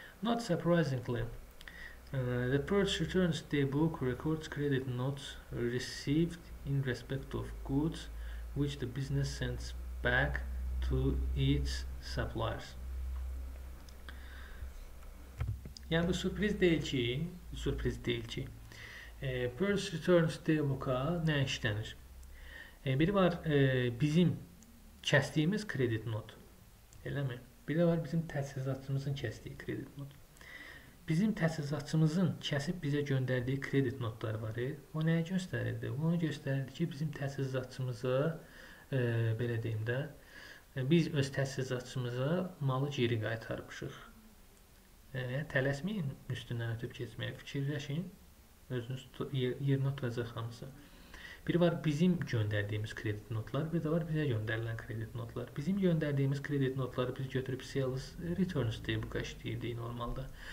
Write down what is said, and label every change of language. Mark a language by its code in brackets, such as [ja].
[en] Not surprisingly, the purchase returns daybook records credit notes received in respect of goods which the business sends back to its suppliers. [tr] Yani bu sürpriz değil ki, sürpriz değil ki. Purchase returns daybook'a ne işlenir? Biri var bizim kestiğimiz kredi not. Öyle mi? Biri var bizim tesisatçımızın kestiği kredi not. Bizim tesisatçımızın kesip bize gönderdiği kredi notları var. O neyi gösterirdi? [az] Onu gösterirdi ki bizim tesisatçımıza belə deyim de biz öz tesisatçımıza malı geri qaytarmışıq. Tələsməyin, üstündən ötüb keçməyə fikirləşin. Özünüz yerinə oturacaqsınız. Biri var bizim göndərdiyimiz kredit notlar, bir də var bizə göndərilən kredit notlar. Bizim göndərdiyimiz kredit notları biz götürüb sales returns daybook-a işləyirdik normalda.